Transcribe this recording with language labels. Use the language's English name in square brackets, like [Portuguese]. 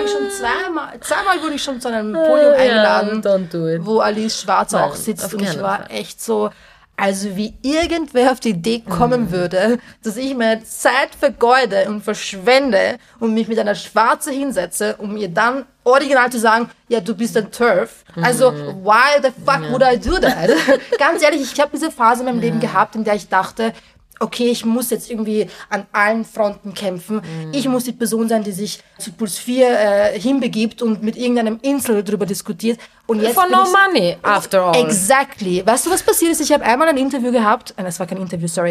[German] Zweimal wurde ich schon zu einem Podium eingeladen, [English] don't do it. [German] Wo Alice Schwarzer auch sitzt und ich war echt so... Also wie irgendwer auf die Idee kommen würde, dass ich meine Zeit vergeude und verschwende und mich mit einer Schwarze hinsetze, um ihr dann original zu sagen, ja, du bist ein Turf. [English] Also why the fuck would I do that? [German] Ganz ehrlich, ich habe diese Phase in meinem Leben gehabt, in der ich dachte, okay, ich muss jetzt irgendwie an allen Fronten kämpfen. Ich muss die Person sein, die sich zu Puls 4 hinbegibt und mit irgendeinem Insel darüber diskutiert. Und jetzt [English] for no money, after all. Exactly. [German] Weißt du, was passiert ist? Ich habe einmal ein Interview gehabt. Es war kein Interview, sorry.